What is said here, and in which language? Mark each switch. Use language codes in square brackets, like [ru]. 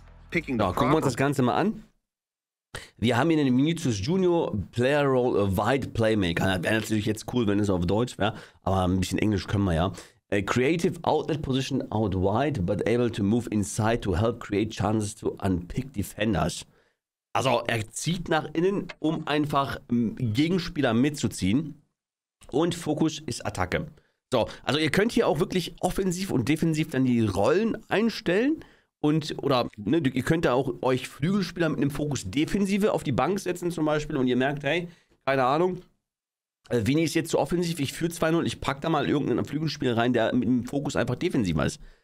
[en] Picking the [de] gucken wir uns das Ganze mal an. Wir haben hier einen Vinicius Junior Player Role Wide Playmaker. Das wäre natürlich jetzt cool, wenn es auf Deutsch wäre, aber ein bisschen Englisch können wir ja. [en] A creative outlet position out wide, but able to move inside to help create chances to unpick defenders. [de] Also er zieht nach innen, um einfach Gegenspieler mitzuziehen. Und Fokus ist Attacke. So, also ihr könnt hier auch wirklich offensiv und defensiv dann die Rollen einstellen. Und, oder, ne, ihr könnt da auch euch Flügelspieler mit einem Fokus Defensive auf die Bank setzen zum Beispiel und ihr merkt, hey, keine Ahnung, Vini ist jetzt zu offensiv, ich führe 2-0, ich pack da mal irgendeinen Flügelspieler rein, der mit einem Fokus einfach defensiver ist.